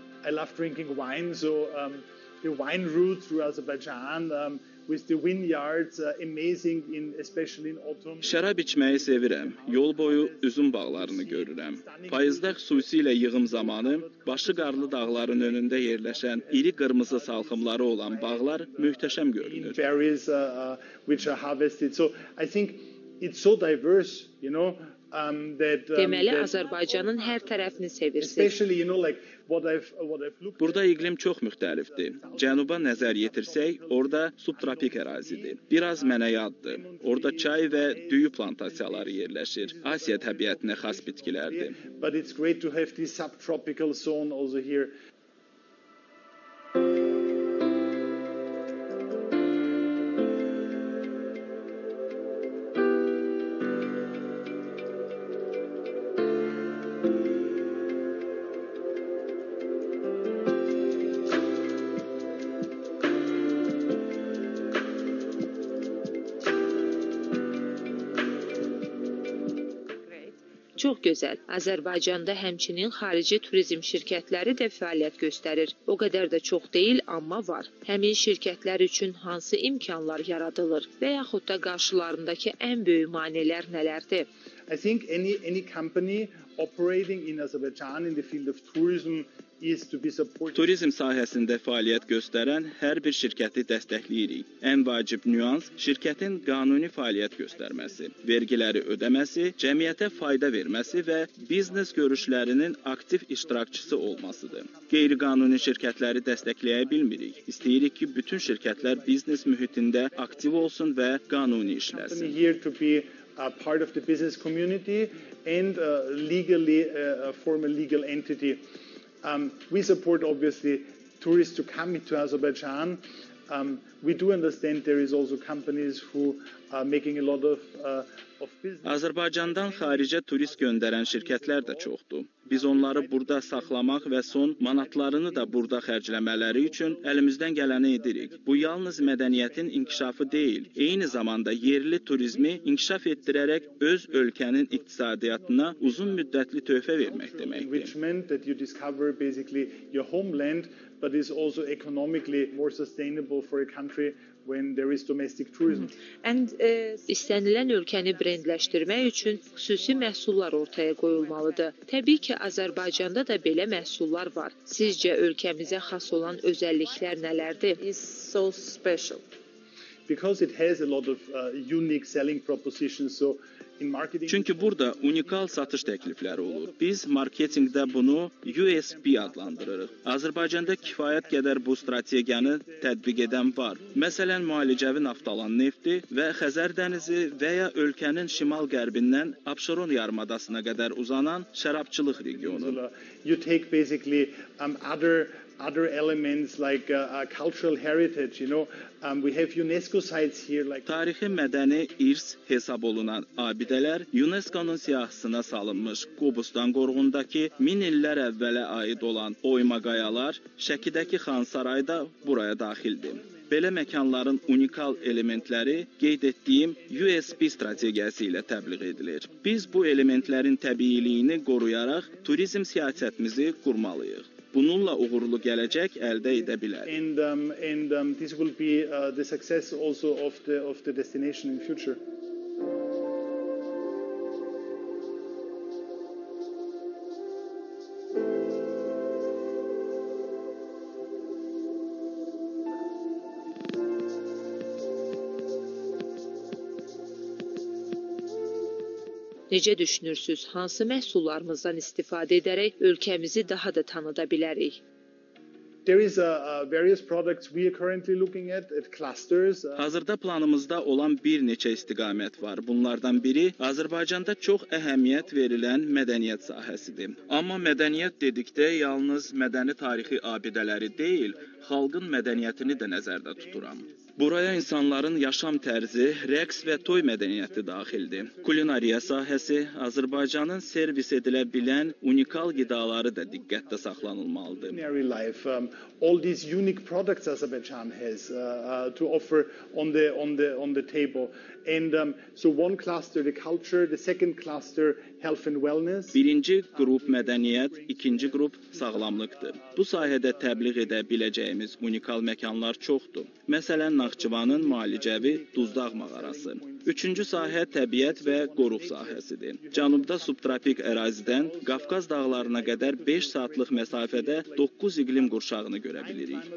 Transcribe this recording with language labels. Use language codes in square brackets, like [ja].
[en] I love drinking wine, so the wine route through Azerbaijan with the vineyards amazing in especially in autumn. [az] Şərab içməyi sevirəm. Yol boyu üzüm bağlarını görürəm. Payızda xüsusilə yığım zamanı başı qarlı dağların önündə yerləşən iri qırmızı salxımları olan bağlar möhtəşəm görünür. [en] Berries which are harvested. So I think it's so diverse, you know. [az] Deməli, Azərbaycanın hər tərəfini sevirsiniz. [en] Especially, you know, like what I've looked. [az] Burada iqlim çox müxtəlifdir. Cənuba nəzər yetirsək, orada subtropik ərazidir. Biraz mənə yaddır. Orada çay və düyü plantasiyaları yerləşir. Asiya təbiətinə xas bitkilərdir. [en] But it's great to have this subtropical zone also here. [az] Çox gözəl. Azərbaycanda həmçinin xarici turizm şirkətləri də fəaliyyət göstərir. O qədər də çox deyil, amma var. Həmin şirkətlər üçün hansı imkanlar yaradılır və yaxud da qarşılarındakı ən böyük maneələr nələrdir? [en] I think any company operating in Azerbaijan in the field of tourism is to be supported. [az] Turizm sahəsində fəaliyyət göstərən hər bir şirkəti dəstəkləyirik. Ən vacib nüans şirkətin qanuni fəaliyyət göstərməsi, vergiləri ödəməsi, cəmiyyətə fayda verməsi və biznes görüşlərinin aktiv iştirakçısı olmasıdır. Qeyri-qanuni şirkətləri dəstəkləyə bilmirik. İstəyirik ki, bütün şirkətlər biznes mühitində aktiv olsun və qanuni işləsin. [en] Here to be a part of the business community and legally form a legal entity. We support obviously tourists to come into Azerbaijan. We do understand there is also companies who are making a lot of business. [az] Azərbaycandan xaricə turist göndərən şirkətlər də çoxdur. Biz onları burada saxlamaq və son manatlarını da burada xərcləmələri üçün əlimizdən gələni edirik. Bu yalnız mədəniyyətin inkişafı deyil, eyni zamanda yerli turizmi inkişaf etdirərək öz ölkənin iqtisadiyyatına uzun müddətli töhfə vermək deməkdir. [en] But is also economically more sustainable for a country when there is domestic tourism. [az] And istənilən ölkəni brendləşdirmək üçün xüsusi məhsullar ortaya qoyulmalıdır. Təbii ki, Azərbaycanda da belə məhsullar var. Sizcə ölkəmizə xas olan özəlliklər nələrdir? [en] It's so special. Because it has a lot of unique selling propositions, so [az] çünki burada unikal satış təklifləri olur. Biz marketinqdə bunu USP adlandırırıq. Azərbaycanda kifayət qədər bu strategiyanı tətbiq edən var. Məsələn, müalicəvi naftalan nefti və Xəzər dənizi və ya ölkənin şimal qərbindən Abşeron yarımadasına qədər uzanan şərabçılıq regionu. [en] You take basically other elements like cultural heritage, you know, we have UNESCO sites here, like [az] tarixi mədəni irs hesab olunan abidələr UNESCO-nun siyahısına salınmış. Qobustan qorğundakı min illər əvvələ aid olan oyma qayalar Şəkidəki Xan Saray da buraya daxildir. Belə məkanların unikal elementləri qeyd etdiyim USP strategiyası ilə təbliğ edilir. Biz bu elementlərin təbiiliyini qoruyaraq turizm siyasətimizi qurmalıyıq. Bununla uğurlu gələcək əldə edə bilər. [en] And this will be the success also of the destination in future. [az] Necə düşünürsünüz, hansı məhsullarımızdan istifadə edərək ölkəmizi daha da tanıda bilərik? [en] There is various products we are currently looking at clusters. [az] Hazırda planımızda olan bir neçə istiqamət var. Bunlardan biri Azərbaycanda çox əhəmiyyət verilən mədəniyyət sahəsidir. Amma mədəniyyət dedikdə yalnız mədəni tarixi abidələri deyil, xalqın mədəniyyətini də nəzərdə tuturam. Buraya insanların yaşam tərzi, rəqs və toy mədəniyyəti daxildir. Kulinariya sahəsi, Azərbaycanın servis edilə bilən unikal qidaları da diqqətdə saxlanılmalıdır. [en] All these unique products Azerbaijan has to offer on the table. And so one cluster the culture, the second cluster health and wellness. [az] Birinci qrup mədəniyyət, ikinci qrup sağlamlıqdır. Bu sahədə təbliğ edə biləcəyimiz unikal məkanlar çoxdur. Məsələn, Naxçıvanın müalicəvi Duzdağ mağarası. Üçüncü sahə təbiət və qoruq sahəsidir. Cənubda subtropik ərazidən Qafqaz dağlarına qədər 5 saatlıq məsafədə 9 iqlim qurşağını görə bilirik.